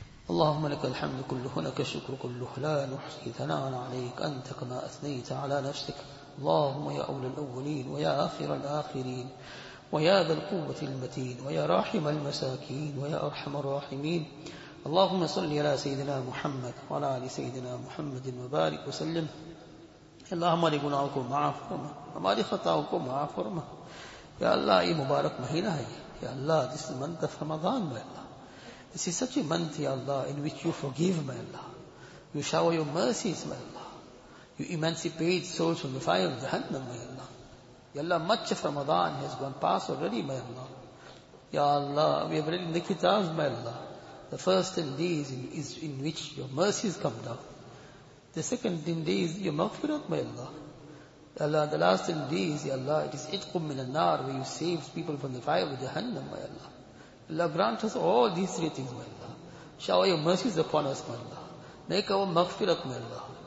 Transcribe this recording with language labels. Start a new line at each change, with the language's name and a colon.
Arabic: اللهم لك الحمد كله لك الشكر كله لا نحصي ثناء عليك أنت كما أثنيت على نفسك. اللهم يا أول الأولين ويا آخر الآخرين ويا ذا القوة المتين ويا راحم المساكين ويا أرحم الراحمين. اللهم صل على سيدنا محمد وعلى آل سيدنا محمد وبارك وسلم.
Urdu: اللہ ہماری گناہوں کو معاف فرما، ہماری خطاؤں کو معاف فرما. یا اللہ یہ مبارک مہینہ ہے،
English: یا Allah this month of Ramadan میں Allah this is such a month یا Allah in which you forgive my Allah, you shower your mercies my Allah, you emancipate souls from the fire of Jahannam my Allah. یا Allah much of Ramadan has gone past already my Allah. یا Allah we have read in the کتاب my Allah, the first in these is in which your mercies come down. The second thing is your maghfirat, my Allah. Allah, the last thing is, ya Allah, it is itqum min al-nar, where you save people from the fire of Jahannam, my Allah. Allah, grant us all these three things, my Allah. Shower your mercies upon us, my Allah. Make our maghfirat, my Allah.